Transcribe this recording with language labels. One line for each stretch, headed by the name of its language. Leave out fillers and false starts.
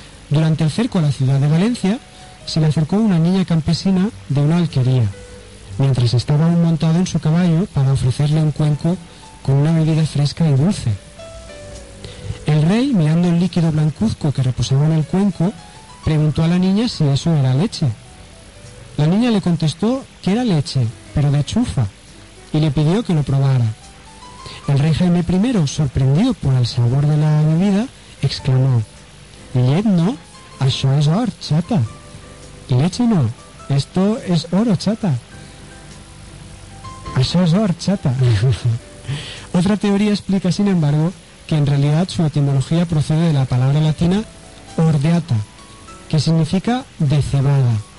Spanish: Durante el cerco a la ciudad de Valencia se le acercó una niña campesina de una alquería mientras estaba aún montado en su caballo para ofrecerle un cuenco con una bebida fresca y dulce. El rey, mirando el líquido blancuzco que reposaba en el cuenco, preguntó a la niña si eso era leche. La niña le contestó que era leche, pero de chufa, y le pidió que lo probara. El rey Jaime I, sorprendido por el sabor de la bebida, exclamó:
Catalan: «Llet no, això és or, chata».
Spanish: «Leche no, esto es oro, chata».
Catalan: «Això és or, chata».
Spanish: Otra teoría explica, sin embargo, que en realidad su etimología procede de la palabra latina «ordeata», que significa «de cebada».